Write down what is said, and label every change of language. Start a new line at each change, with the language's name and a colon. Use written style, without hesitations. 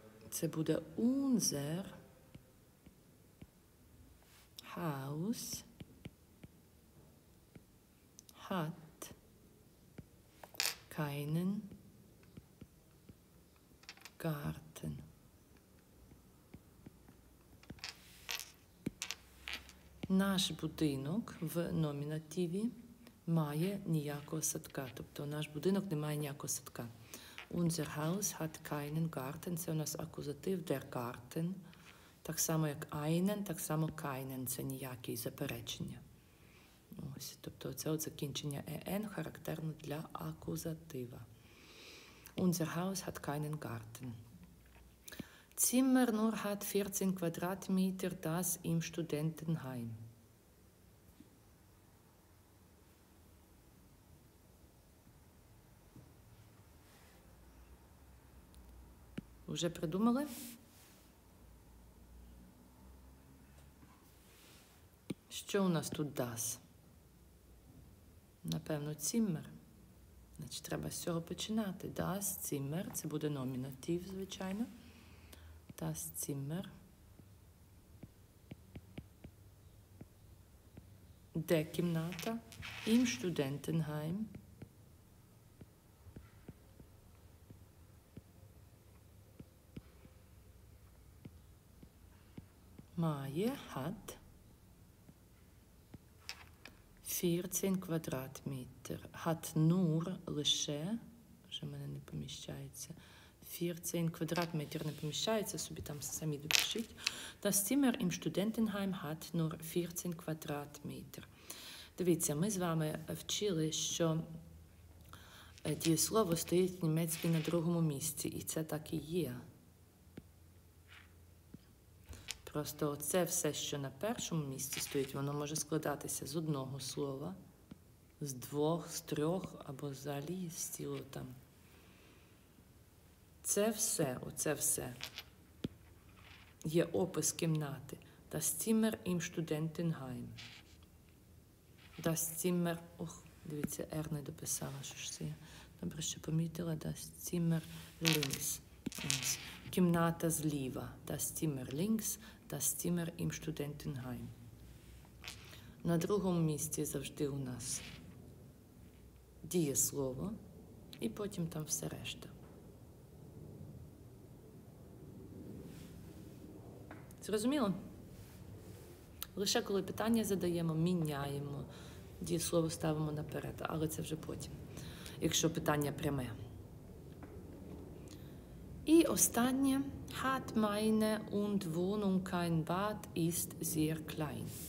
Ukrainian: Це буде
German: unser Haus hat keinen Garten.
Ukrainian: Наш будинок в номінативі має ніякого садка. Тобто наш будинок не має ніякого садка.
German: Unser Haus hat keinen Garten.
Ukrainian: Це у нас акузатив, der Garten. Так само, як einen, так само keinen. Це ніякі заперечення. Ось, тобто це от закінчення en характерно для акузатива.
German: Unser Haus hat keinen Garten. Zimmer nur hat 14 Quadratmeter, das im Studentenheim.
Ukrainian: У Уже придумали? Що у нас тут DAS? Напевно, Zimmer. Значить, треба з цього починати.
German: DAS, Zimmer.
Ukrainian: Це буде номінатив, звичайно.
German: DAS, Zimmer.
Ukrainian: Де кімната?
German: Im Studentenheim.
Ukrainian: Має, hat. 14 квадратметр.
German: Hat nur, лише.
Ukrainian: Вже в мене не поміщається. 14 квадратметр не поміщається, собі там самі допишіть.
German: Das Zimmer im Studentenheim hat nur 14 квадратметр.
Ukrainian: Дивіться, ми з вами вчили, що дієслово стоїть німецький на другому місці. І це так і є. Просто оце все, що на першому місці стоїть, воно може складатися з одного слова, з двох, з трьох, або взагалі з цілого там. Це все, оце все є опис кімнати.
German: Das Zimmer im Studentenheim.
Ukrainian: Das Zimmer, ох, дивіться, R не дописала, що ж це я. Добре, що помітила.
German: Das Zimmer links.
Ukrainian: Кімната зліва.
German: Das Zimmer links. Das Zimmer im Studentenheim.
Ukrainian: На другому місці завжди у нас дієслово і потім там все решта. Зрозуміло? Лише коли питання задаємо, міняємо, дієслово ставимо наперед, але це вже потім, якщо питання пряме. І останнє.
German: Hat meine und Wohnung kein Bad, ist sehr klein.